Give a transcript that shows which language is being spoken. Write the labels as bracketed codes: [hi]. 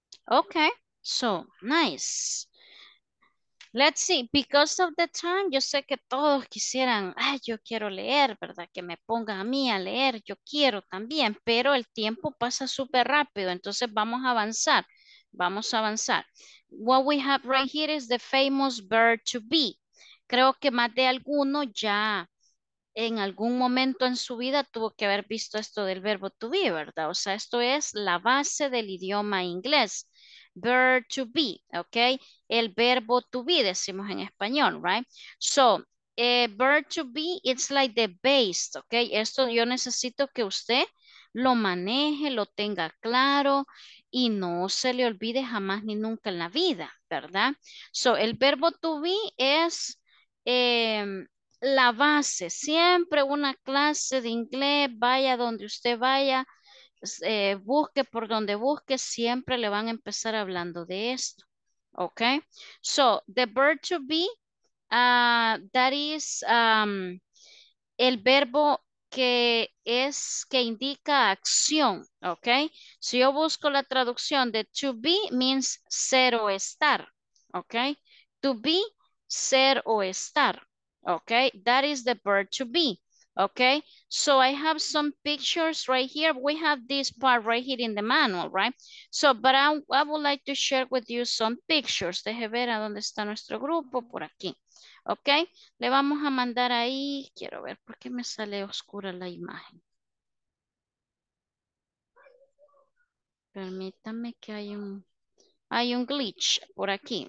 [en] Okay, so nice. Let's see, because of the time, [es] yo sé que todos quisieran, ay, yo quiero leer, ¿verdad? Que me ponga a mí a leer, yo quiero también, pero el tiempo pasa súper rápido, entonces vamos a avanzar, vamos a avanzar. [en] What we have right here is the famous verb to be. [es] Creo que más de alguno ya en algún momento en su vida tuvo que haber visto esto del verbo to be, ¿verdad? O sea, esto es la base del idioma inglés. Verb to be, okay? El verbo to be, decimos en español, right? [en] So, verb to be, it's like the base, okay? [es] Esto yo necesito que usted lo maneje, lo tenga claro y no se le olvide jamás ni nunca en la vida, ¿verdad? So, el verbo to be es la base. Siempre una clase de inglés, vaya donde usted vaya, busque por donde busque, siempre le van a empezar hablando de esto. [en] Ok, so the verb to be, that is [es] el verbo que es, que indica acción. Ok, si yo busco la traducción de to be means ser o estar. Ok, to be, ser o estar. [en] Ok, that is the verb to be. Okay, so I have some pictures right here. We have this part right here in the manual, right? So, but I would like to share with you some pictures. [es] Deje ver a dónde está nuestro grupo, por aquí. Okay, le vamos a mandar ahí. Quiero ver por qué me sale oscura la imagen. Permítame que hay un glitch por aquí.